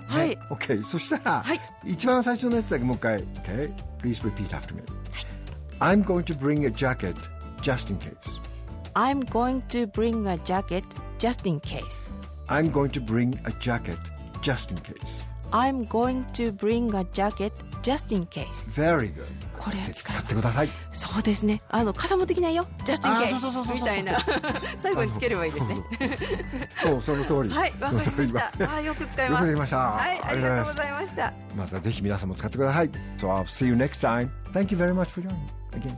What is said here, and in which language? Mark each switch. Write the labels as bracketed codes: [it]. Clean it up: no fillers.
[ja] はい。 OK、ね。そしたら、はい、一番最初のやつだけもう一回。 [en] OK。 Please repeat after me. I'm going to bring a jacket just in case. I'm going to bring a jacket just in case. I'm going to bring a jacket just in case. I'm going to bring a jacket just in case. Very good. [ja] これ使ってください。そうですね。あの傘もできないよ。Just in case みたいな最後につければいいですね。そう、その通り。はい、わかりました。よく使います。よくできました。はい、ありがとうございました。またぜひ皆さんも使ってください。 [en] So I'll see you next time. Thank you very much for joining. Again.